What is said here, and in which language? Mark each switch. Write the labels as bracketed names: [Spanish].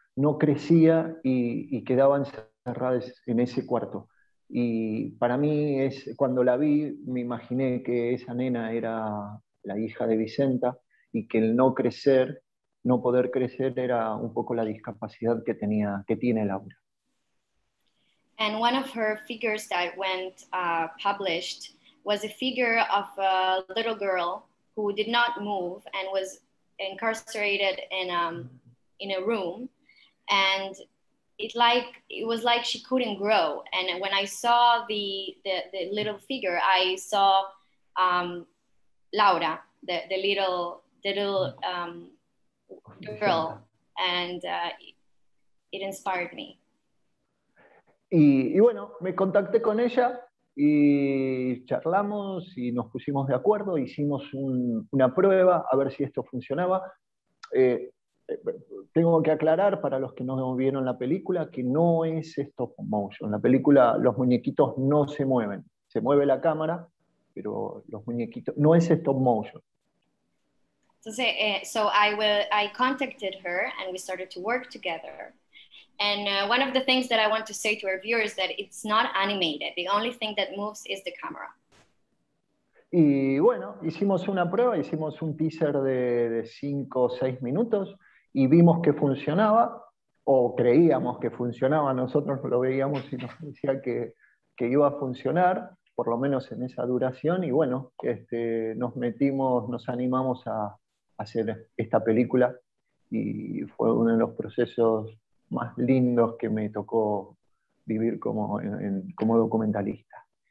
[Spanish] No crecía y quedaba encerrada en ese cuarto. Y para mí, cuando la vi, me imaginé que esa nena era la hija de Vicenta y que el no crecer, no poder crecer, era un poco la discapacidad que tiene Laura. [English] And one of her figures that went published was a figure of a little girl who did not move and was incarcerated in a room. And it was like she couldn't grow. And when I saw the little figure, I saw Laura, the little girl, and it inspired me. [Spanish] Y bueno, me contacté con ella y charlamos y nos pusimos de acuerdo, hicimos una prueba a ver si esto funcionaba. Tengo que aclarar para los que no vieron la película que no es stop motion. La película, los muñequitos no se mueven. Se mueve la cámara, pero los muñequitos no es stop motion. Entonces, [English] I contacted her and we started to work together. And one of the things that I want to say to our viewers is that it's not animated. The only thing that moves is the camera. [Spanish] Y bueno, hicimos una prueba, hicimos un teaser de 5 o 6 minutos. Y vimos que funcionaba, o creíamos que funcionaba, nosotros lo veíamos y nos decía que iba a funcionar, por lo menos en esa duración, y bueno, nos animamos a hacer esta película, y fue uno de los procesos más lindos que me tocó vivir como documentalista.